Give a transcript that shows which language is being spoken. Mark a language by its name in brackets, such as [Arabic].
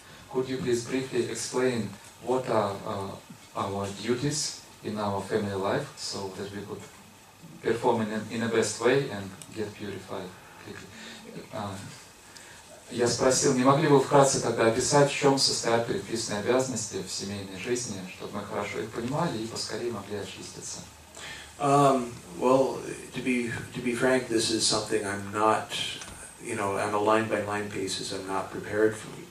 [English] Could you please briefly explain what are our duties in our family life so that we could perform in the best way and get purified? [Russian] Я спросил, не могли бы вы вкратце тогда описать, в чем состоят предписанные обязанности в семейной жизни, чтобы мы хорошо их понимали и поскорее могли очиститься? [English] Well, to be frank, this is something I'm not, I'm a line by line basis. I'm not prepared for.